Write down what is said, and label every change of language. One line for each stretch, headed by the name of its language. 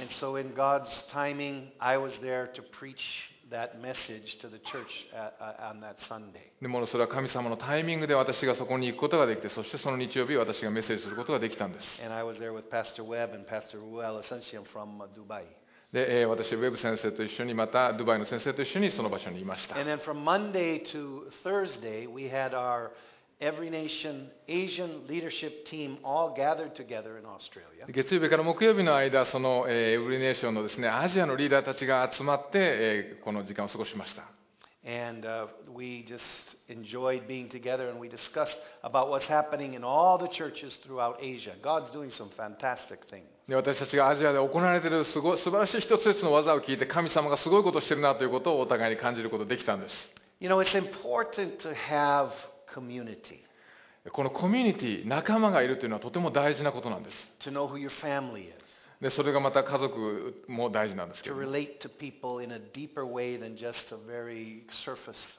English: And so in God's timing, I was there to preach that message to the church on that Sunday.
Japanese: でもそれは神様のタイミングで私がそこに行くことができて、そしてその日曜日私がメッセージすることができたんです。
English: And I was there with Pastor Webb and Pastor Ruel Essential from Dubai.
Japanese: で、私ウェブ先生と一緒にまたドバイの先生と一緒にその場所にいました。
English: And then from Monday to Thursday, we had our Every Nation Asian Leadership Team all gathered together in Australia.
Japanese: 月曜日から木曜日の間、その Every Nation のですね、アジアのリーダーたちが集まって、この時間を過ごしました。
English: And we just enjoyed being together, and we discussed about what's happening in all the churches throughout Asia. God's doing some fantastic things.
Japanese: で私たちがアジアで行われているすごい素晴らしい一つ一つの技を聞いて、神様がすごいことをしているなということをお互いに感じることができたんです。
English: You know, it's important to have community.
Japanese: このコミュニティ、仲間がいるというのはとても大事なことなんです。
English: To know who your family is.
Japanese: でそれがまた家族も大事なんですけど、
English: To relate to people in a deeper way than just a very surface